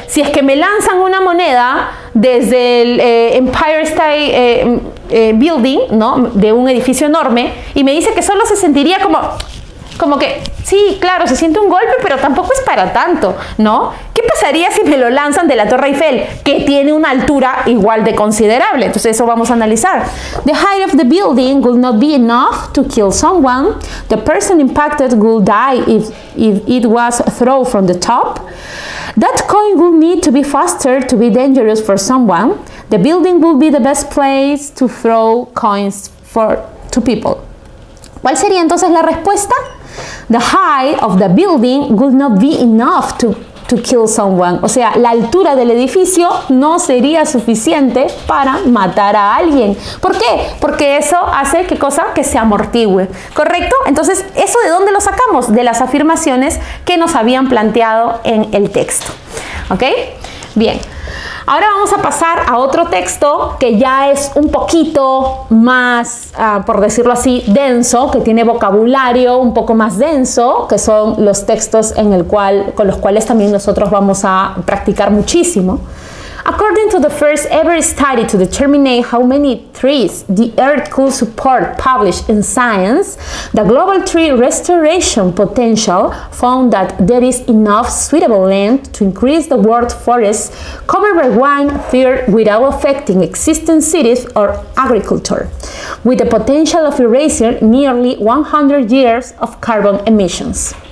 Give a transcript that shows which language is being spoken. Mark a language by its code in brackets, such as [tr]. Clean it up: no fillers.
[es] Si es que me lanzan una moneda desde el Empire State Building, ¿no? De un edificio enorme, y me dice que solo se sentiría como que, sí, claro, se siente un golpe, pero tampoco es para tanto, ¿no? ¿Qué pasaría si me lo lanzan de la Torre Eiffel, que tiene una altura igual de considerable? Entonces, eso vamos a analizar. [en] The height of the building would not be enough to kill someone. The person impacted would die if it was thrown from the top. That coin would need to be faster to be dangerous for someone. The building would be the best place to throw coins to people. [es] ¿Cuál sería entonces la respuesta? [en] The height of the building would not be enough to kill someone. [es] O sea, la altura del edificio no sería suficiente para matar a alguien. ¿Por qué? Porque eso hace, ¿qué cosa? Que se amortigüe. ¿Correcto? Entonces, ¿eso de dónde lo sacamos? De las afirmaciones que nos habían planteado en el texto. ¿Ok? Bien. Ahora vamos a pasar a otro texto que ya es un poquito más, por decirlo así, denso, que tiene vocabulario un poco más denso, que son los textos en el cual, con los cuales también nosotros vamos a practicar muchísimo. [en] According to the first ever study to determine how many trees the Earth could support, published in Science, the global tree restoration potential found that there is enough suitable land to increase the world forest covered by one third without affecting existing cities or agriculture, with the potential of erasing nearly 100 years of carbon emissions.